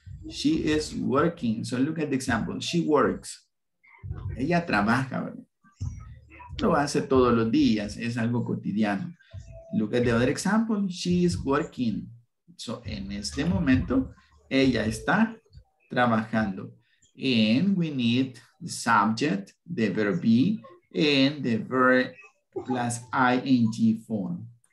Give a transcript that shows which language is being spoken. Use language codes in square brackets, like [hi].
[en] She is working, so look at the example, she works. [es] Ella trabaja, ¿verdad? Lo hace todos los días, es algo cotidiano. [en] Look at the other example, she is working. So [es] en este momento, ella está trabajando. [en] And we need the subject, the verb be, and the verb plus ing form.